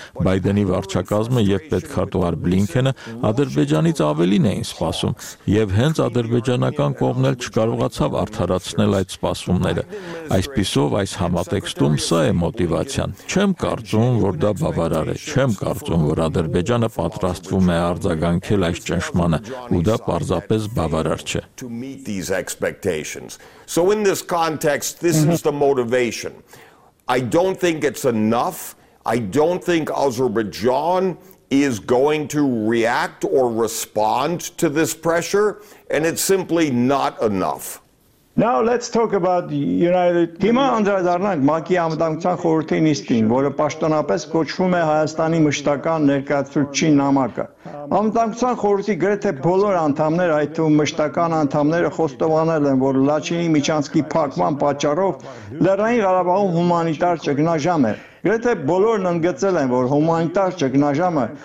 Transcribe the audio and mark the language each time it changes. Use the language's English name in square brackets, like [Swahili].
[Armenian] Բայդենի վարչակազմը եւ պետքարտուղար Բլինքենը Ադրբեջանից ավելին էին սպասում, եւ հենց ադրբեջանական կողմն էլ չկարողացավ արդարացնել այդ սպասումները։ Այսպիսով այս համատեքստում սա է մոտիվացիան։ Չեմ կարծում, որ դա բավարար է։ Չեմ կարծում, որ Ադրբեջանը պատրաստվում է արձագանքել այս ճնշմանը, ու դա պարզապես բավարար չէ։ [English] So in this context, this is the motivation. I don't think it's enough. I don't think Azerbaijan is going to react or respond to this pressure, and it's simply not enough. Now let's talk about United [Armenian] Հիմա անդրադառնանք ՄԱԿ-ի ամենատարածական խորհրդի նիստին, որը պաշտոնապես կոչվում է Հայաստանի մշտական ներկայացուցիչ նամակը։ Ամենատարածական խորհրդի գրեթե բոլոր անդամները, այդ թվում մշտական անդամները, խոստովանել են, որ Լաչինի միջանցքի փակման պատճառով Լեռնային Ղարաբաղում հումանիտար ճգնաժամ է։ Գրեթե բոլորն ընդգծել են, որ հումանիտար ճգնաժամը